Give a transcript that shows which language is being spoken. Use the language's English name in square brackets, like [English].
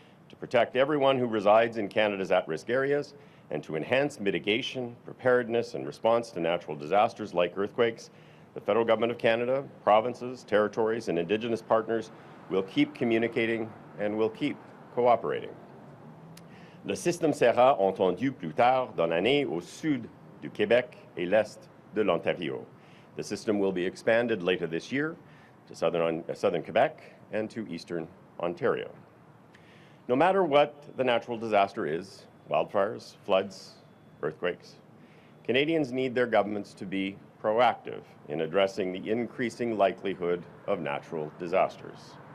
[English] To protect everyone who resides in Canada's at-risk areas and to enhance mitigation, preparedness, and response to natural disasters like earthquakes, the Federal Government of Canada, provinces, territories, and Indigenous partners will keep communicating and will keep cooperating. [French] Le système sera entendu plus tard dans l'année au sud du Québec et l'est de l'Ontario. [English] The system will be expanded later this year to southern Quebec and to eastern Ontario. No matter what the natural disaster is, wildfires, floods, earthquakes, Canadians need their governments to be proactive in addressing the increasing likelihood of natural disasters.